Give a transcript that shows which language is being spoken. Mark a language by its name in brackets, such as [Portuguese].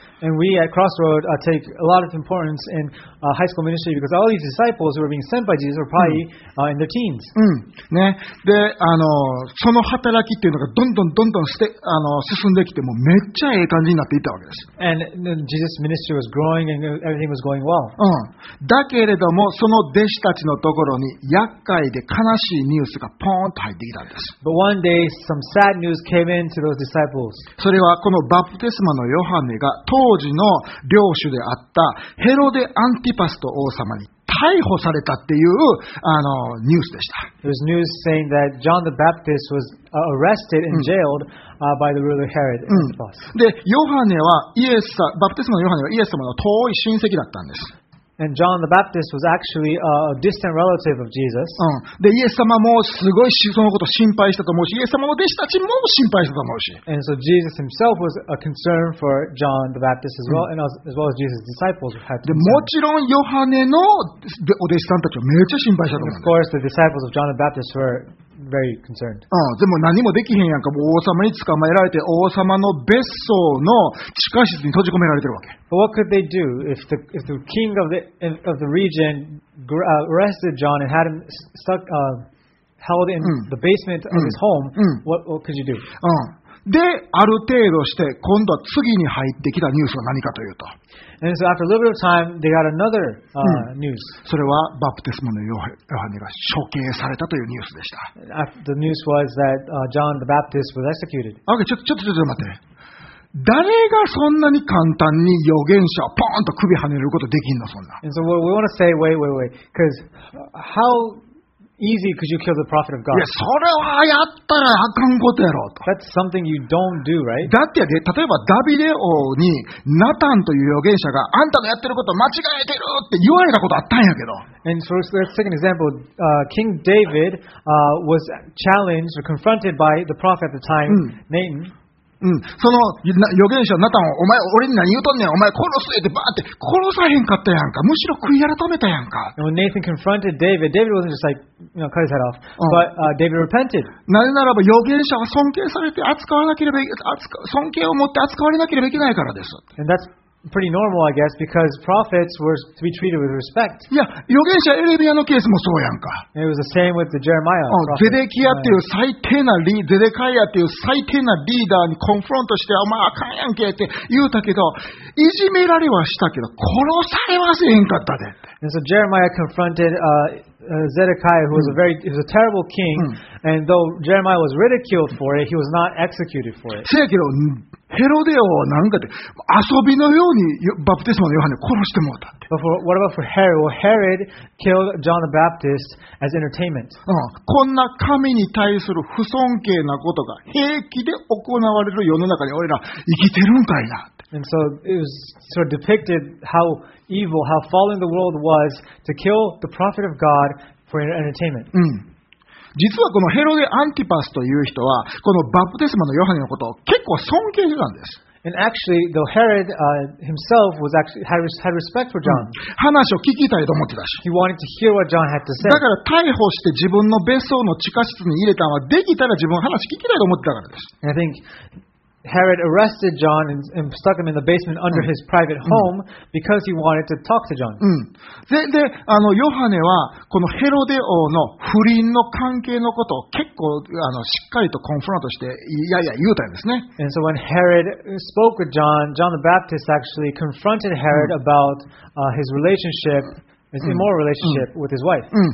[English] And we at Crossroad take a lot of importance in high school ministry because all these disciples who were being sent by Jesus were probably in their teens. [Japanese] ね、で、その働きっていうのがどんどんどんどん進んできて、もうめっちゃええ感じになっていったわけです。 [English] And Jesus' ministry was growing and everything was going well. [Japanese] だけれども、その弟子たちのところに厄介で悲しいニュースがポーンと入ってきたんです。 [English] But one day, some sad news came into those disciples. [Japanese] それはこのバプテスマのヨハネが当時の領主であったヘロデ・アンティパスと王様に逮捕されたっていうニュースでした。 [English] There was news saying that John the Baptist was arrested and jailed by the ruler Herod Antipas. [Japanese] で、ヨハネはイエス様、バプテスマのヨハネはイエス様の遠い親戚だったんです。 [English] And John the Baptist was actually a distant relative of Jesus. [Japanese] で、イエス様もすごいそのこと心配したと思うし、イエス様の弟子たちも心配したと思うし。 [English] And so Jesus himself was a concern for John the Baptist as well, and as well as Jesus' disciples had concern. [Japanese] で、もちろんヨハネのお弟子さんたちはめっちゃ心配したと思う。 [English] And of course, the disciples of John the Baptist were very concerned. [Japanese] でも何もできへんやんか、王様に捕まえられて、王様の別荘の地下室に閉じ込められてるわけ。 [English] But what could they do if the king of the region arrested John and had him stuck held in the basement of his home? What could you do? [Japanese] で、ある程度して今度は次に入ってきたニュースは何かというと、 [English] and so after a little bit of time, they got another news. [Japanese] それはバプテスマのヨハネが処刑されたというニュースでした。 [English] The news was that John the Baptist was executed. [Japanese] Okay, ちょっと待って。誰がそんなに簡単に預言者をポーンと首跳ねることできんのそんな。 [English] And so we want to say, wait, because how easy could you kill the prophet of God? [Japanese] いや、それはやったらあかんことやろと。 [English] That's something you don't do, right? [Japanese] だってで、例えばダビデ王にナタンという預言者があんたのやってること間違えてるって言われたことあったんやけど。 [English] And so let's take an example. King David was challenged or confronted by the prophet at the time, Nathan. [Japanese] うん、その預言者ナタンお前俺に何言うとんねんお前殺すってバーって殺さへんかったやんかむしろ悔い改めたやんか。 [English] And when Nathan confronted David, David wasn't just like, you know, cut his head off, but David repented. [Japanese] なぜならば預言者は尊敬されて扱わなければ尊敬を持って扱われなければいけないからです。 [English] And that's pretty normal, I guess, because prophets were to be treated with respect. [Japanese] いや預言者エレミアのケースもそうやんか。 [English] It was the same with the Jeremiah. [Japanese] ゼデキヤっていう最低なリゼデカヤっていう最低なリーダーにコンフロントしてお前あかんやんけって言うたけどいじめられはしたけど殺されはせへんかったで。 [English] And so Jeremiah confronted Zedekiah, who was a very, he was a terrible king. And though Jeremiah was ridiculed for it, he was not executed for it. [Japanese] せやけどヘロデをなんかで遊びのようにバプテスマのヨハネを殺してもらったって。 [English] But for, what about for Herod? Well, Herod killed John the Baptist as entertainment. [Japanese] こんな神に対する不尊敬なことが平気で行われる世の中に俺ら生きてるんかいな。 [English] And so it was sort of depicted how evil, how fallen the world was to kill the prophet of God for entertainment. [Japanese] 実はこのヘロデ・アンティパスという人はこのバプテスマのヨハネのことを結構尊敬してたんです。 [English] And actually, though Herod himself was actually had respect for John. [Japanese] 話を聞きたいと思ってたし。 [English] He wanted to hear what John had to say. [Japanese] だから逮捕して自分の別荘の地下室に入れたのはできたら自分の話聞きたいと思ってたからです。 [English] And I think Herod arrested John and stuck him in the basement under his private home because he wanted to talk to John. [Japanese] で、あのヨハネはこのヘロデ王の不倫の関係のことを結構あのしっかりとコンフロントしていやいや言うたんですね。 [English] And so when Herod spoke with John, John the Baptist actually confronted Herod about his relationship, his immoral relationship with his wife.